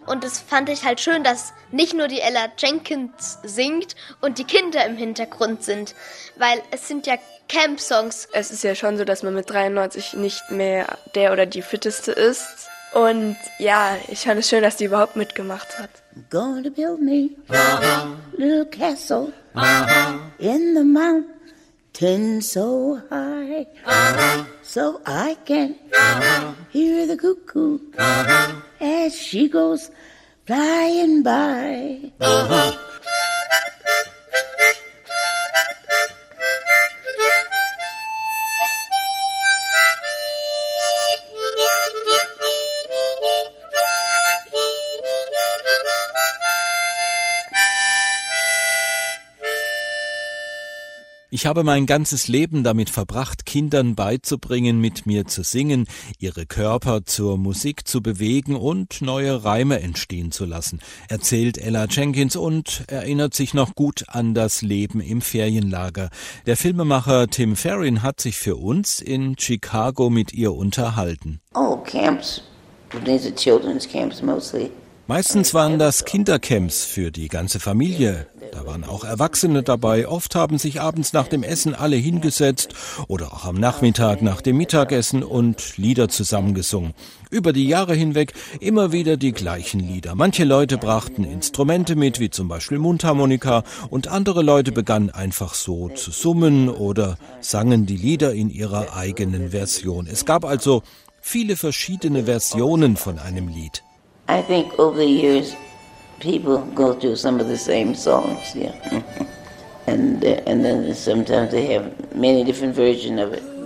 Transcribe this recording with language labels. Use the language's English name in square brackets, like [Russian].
[German] Und das fand ich halt schön, dass nicht nur die Ella Jenkins singt und die Kinder im Hintergrund sind, weil es sind ja Camp-Songs. Es ist ja schon so, dass man mit 93 nicht mehr der oder die Fitteste ist. Und ja, ich fand es schön, dass die überhaupt mitgemacht hat. [English] I'm gonna build me a little castle in the mountain. Ten so high, so I can hear the cuckoo as she goes flying by. [German] Ich habe mein ganzes Leben damit verbracht, Kindern beizubringen, mit mir zu singen, ihre Körper zur Musik zu bewegen und neue Reime entstehen zu lassen, erzählt Ella Jenkins und erinnert sich noch gut an das Leben im Ferienlager. Der Filmemacher Tim Farron hat sich für uns in Chicago mit ihr unterhalten. [English] Oh, Camps. These are children's camps mostly. [German] Meistens waren das Kindercamps für die ganze Familie. Da waren auch Erwachsene dabei. Oft haben sich abends nach dem Essen alle hingesetzt oder auch am Nachmittag nach dem Mittagessen und Lieder zusammengesungen. Über die Jahre hinweg immer wieder die gleichen Lieder. Manche Leute brachten Instrumente mit, wie zum Beispiel Mundharmonika, und andere Leute begannen einfach so zu summen oder sangen die Lieder in ihrer eigenen Version. Es gab also viele verschiedene Versionen von einem Lied. [English] I think over the years, people go through some of the same songs, yeah. And then sometimes they have many different versions of it.